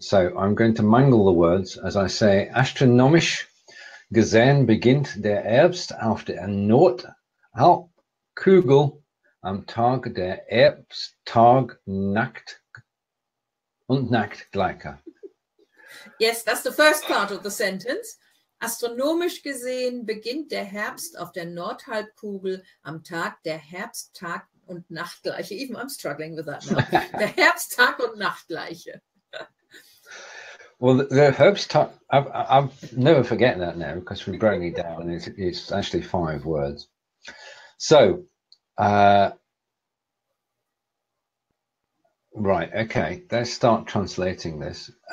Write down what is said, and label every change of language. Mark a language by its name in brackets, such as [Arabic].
[English] So I'm going to mangle the words as I say, [German] astronomisch gesehen beginnt der Herbst auf der Nordhalbkugel am Tag der Herbsttag Nacht und Nacht gleicher. [English] Yes, that's the first part of the sentence. [German] Astronomisch gesehen beginnt der Herbst auf der Nordhalbkugel am Tag der Herbsttag und Nachtgleiche. [English] Even I'm struggling with that now. [German] Der Herbsttag und Nachtgleiche. [English] Well, the Herbsttag, I've never forget that now because we broke it down and it's actually five words. So, right, okay, let's start translating this.